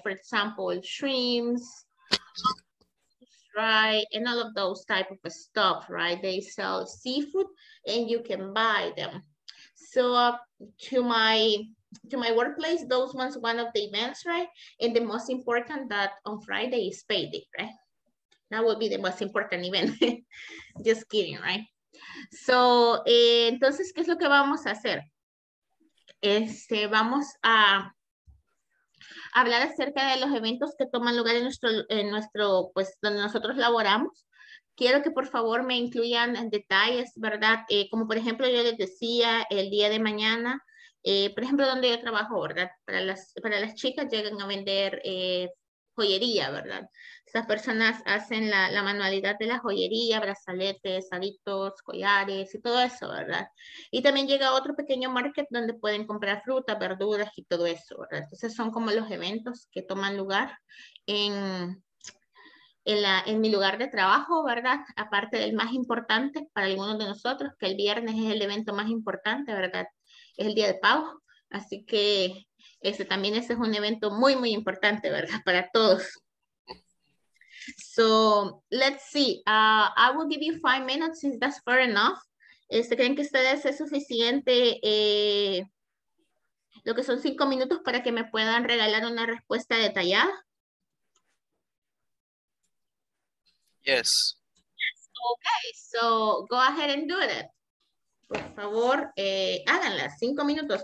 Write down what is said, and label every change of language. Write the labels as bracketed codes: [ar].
[en] For example, shrimps, right, and all of those type of stuff, right? They sell seafood and you can buy them. So to my workplace, those ones, one of the events, right? And the most important that on Friday is payday, right? That would be the most important event. Just kidding, right? [es] So, entonces, ¿qué es lo que vamos a hacer? Vamos a hablar acerca de los eventos que toman lugar en nuestro, pues, donde nosotros laboramos. Quiero que por favor me incluyan en detalles, ¿verdad? Como por ejemplo yo les decía, el día de mañana, por ejemplo, donde yo trabajo, ¿verdad? Para las chicas llegan a vender joyería, ¿verdad? Estas personas hacen la manualidad de la joyería, brazaletes, aritos, collares y todo eso, ¿verdad? Y también llega otro pequeño market donde pueden comprar frutas, verduras y todo eso, ¿verdad? Entonces son como los eventos que toman lugar en mi lugar de trabajo, ¿verdad? Aparte del más importante para algunos de nosotros, que el viernes es el evento más importante, ¿verdad? Es el Día de Pago. Así que ese es un evento muy, muy importante, ¿verdad? Para todos. [en] So, let's see. I will give you 5 minutes if that's fair enough. [es] ¿Creen que ustedes es suficiente lo que son 5 minutos para que me puedan regalar una respuesta detallada? [en] Yes. Okay, so go ahead and do it. [es] Por favor, háganla, 5 minutos.